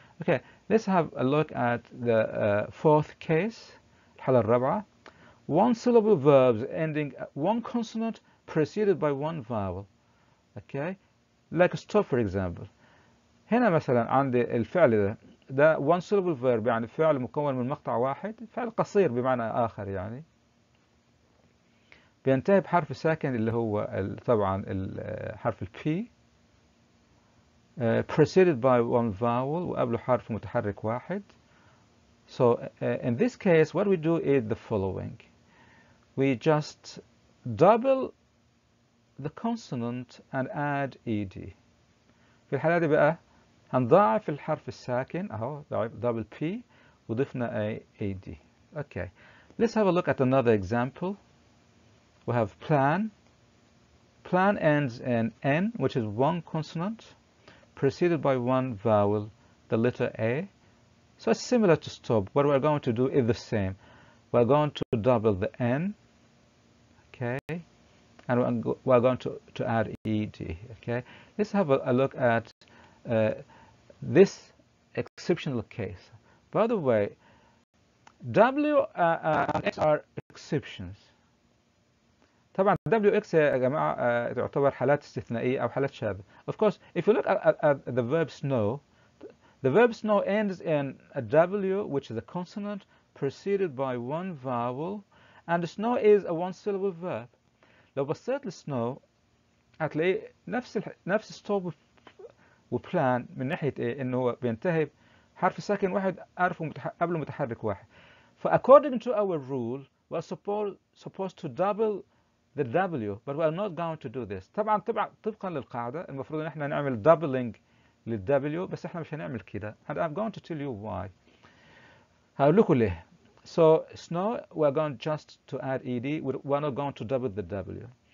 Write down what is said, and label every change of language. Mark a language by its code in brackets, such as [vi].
[en] Okay, let's have a look at the fourth case, [ar] الحالة الرابعة. [en] One syllable verbs ending one consonant preceded by one vowel. Okay, like stop for example. [ar] هنا مثلا عندي الفعل ده [en] one syllable verb, [ar] يعني فعل مكون من مقطع واحد, فعل قصير بمعنى آخر يعني. بينتهي بحرف ساكن اللي هو طبعا حرف ال P. [en] Preceded by one vowel, [ar] وقبله حرف متحرك واحد. [en] So in this case, what we do is the following. We just double the consonant and add ed. [ar] في الحالة دي بقى هنضاعف الحرف الساكن, اهو double P, وضفنا ad. [en] Okay, let's have a look at another example. We have plan. Plan ends in N, which is one consonant, preceded by one vowel, the letter A. So it's similar to stop. What we're going to do is the same. We're going to double the N, okay? And we're going to add ED, okay? Let's have a look at this exceptional case. By the way, W and X are exceptions. [ar] طبعا W X يا جماعة تعتبر حالات استثنائية أو حالات شاذة. [en] Of course, if you look at the verb snow, the verb snow ends in a W, which is a consonant preceded by one vowel, and the snow is a one syllable verb. [ar] لو بصيت للسنو هتلاقي نفس stop و plan من ناحية إيه؟ إنه هو بينتهي حرف ساكن واحد حرف قبله متحرك واحد. [en] ف according to our rule, we're supposed to double the W, but we are not going to do this. [ar] طبعا طبقا للقاعدة المفروض ان احنا نعمل doubling لل W, بس احنا مش هنعمل كده. [en] And I'm going to tell you why. [ar] هقولكوا ليه. [en] So snow, we are going just to add ed. We are not going to double the W.